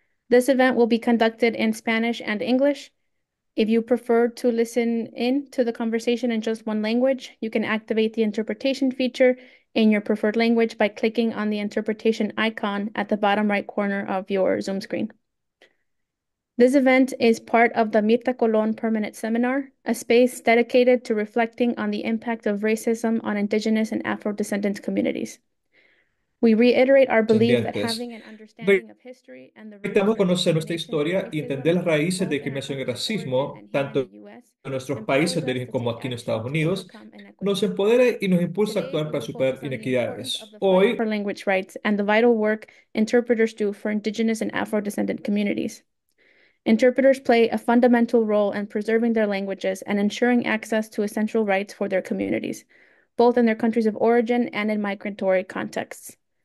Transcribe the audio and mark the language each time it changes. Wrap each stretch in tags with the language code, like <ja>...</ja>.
<en>This event will be conducted in Spanish and English. If you prefer to listen in to the conversation in just one language, you can activate the interpretation feature in your preferred language by clicking on the interpretation icon at the bottom right corner of your Zoom screen. This event is part of the Mirta Colón Permanent Seminar, a space dedicated to reflecting on the impact of racism on Indigenous and Afro-descendant communities. We reiterate our belief that having an understanding of history and the</en> <es>necesitamos conocer nuestra historia y entender las raíces de discriminación y racismo, tanto en nuestros países de origen como aquí en Estados Unidos, nos empodere y nos impulsa a actuar para superar inequidades. Hoy,</es> <en>for language rights and the vital work interpreters do for Indigenous and Afro-descendant communities. Interpreters play a fundamental role in preserving their languages and ensuring access to essential rights for their communities, both in their countries of origin and in migratory contexts.</en>